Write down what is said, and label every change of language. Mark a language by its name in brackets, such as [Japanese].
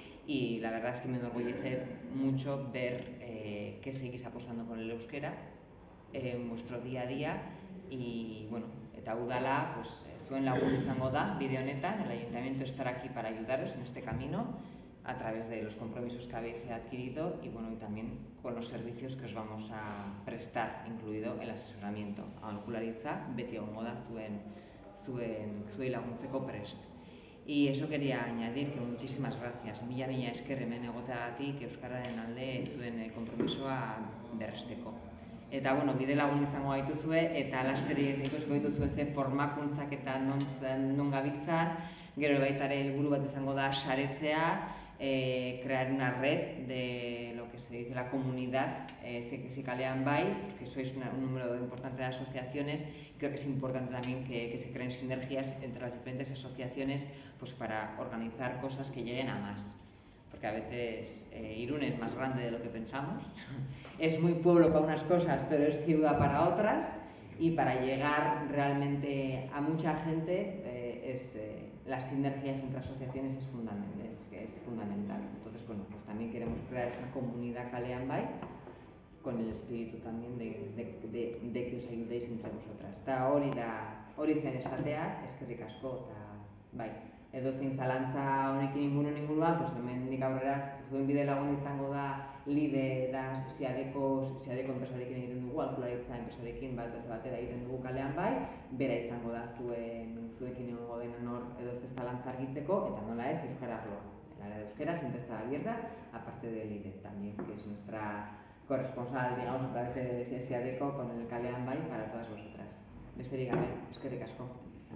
[Spanish] Y la verdad es que me enorgullece mucho ver que seguís apostando con el euskera en vuestro día a día. Y bueno, [Basque] eta udala, pues zuen lagun izango da, bide honetan, [Spanish] el ayuntamiento estará aquí para ayudaros en este camino a través de los compromisos que habéis adquirido y bueno, y también con los servicios que os vamos a prestar, incluido el asesoramiento. [Basque] Aholkularitza, beti egongo da zuei laguntzeko prest. [Spanish] Y eso quería añadir que muchísimas gracias. [Basque] Mila mila esker hemen egoteagatik euskararen alde zuen konpromisoa berresteko. Eta bueno, bide lagun izango gaituzue eta laster ikusiko dituzue ze formakuntzak eta non gabiltzan. Gero baita ere helburu bat izango da saretzea, [Spanish] crear una red de lo que se dice la comunidad, si kalean bai, que sois un número importante de asociaciones. Creo que es importante también que se creen sinergias entre las diferentes asociaciones, pues para organizar cosas que lleguen a más. Porque a veces Irún es más grande de lo que pensamos. Es muy pueblo para unas cosas, pero es ciudad para otras. Y para llegar realmente a mucha gente, las sinergias entre asociaciones es fundamental. Entonces, bueno, pues también queremos crear esa comunidad kalean bai, con el espíritu también de que os ayudéis entre vosotras. [Basque] Eta hori da, hori zen esatea, eskerrik asko, eta bai. Edo zein zalantza honek ingurua, pues hemen nik aurrera zuen bide lagun izango da LIDE da SEADECO enpresarekin egiten dugu, Aholkularitza enpresarekin bat ez batera egiten dugu kalean bai, bera izango da zuekin egongo denan hor edo zein zalantza argitzeko, eta nola ez, euskara arloa. [Spanish] El área de euskera, siempre está abierta, aparte de LIDE también, que es nuestra corresponsal, digamos, a través de SEADECO con el kalean bai para todas vosotras. [Basque] Besterik gabe, eskerrik asko.